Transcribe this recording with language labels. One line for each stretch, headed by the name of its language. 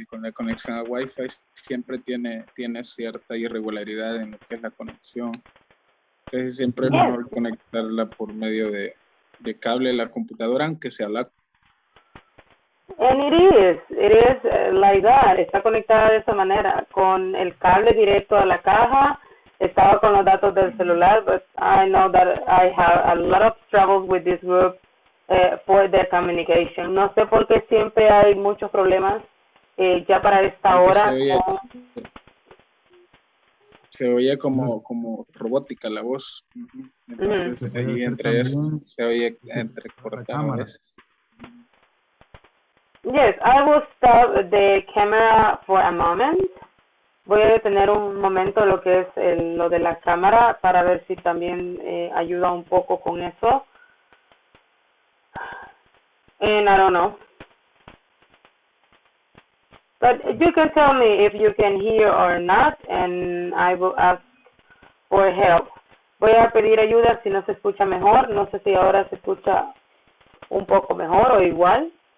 Spanish: Y con la conexión a Wi-Fi siempre tiene cierta irregularidad en lo que es la conexión. Entonces siempre es mejor conectarla por medio de cable a la computadora, aunque sea la.
English: And it is like that.
Spanish: Está conectada de esa manera, con el cable directo a la caja. Estaba con los datos del celular,
English: but I know that I have a lot of troubles with this group for the communication.
Spanish: No sé por qué siempre hay muchos problemas ya para esta hora. Se oía como robótica la voz. Entonces, ahí entre eso, se oía entre cortadas.
English: Yes, I will stop the camera for a moment.
Spanish: Voy a detener un momento lo que es lo de la cámara para ver si también ayuda un poco con eso.
English: And I don't know. But you can tell me if you can hear or not, and I will ask for help.
Spanish: Voy a pedir ayuda si no se escucha mejor. No sé si ahora se escucha un poco mejor o igual.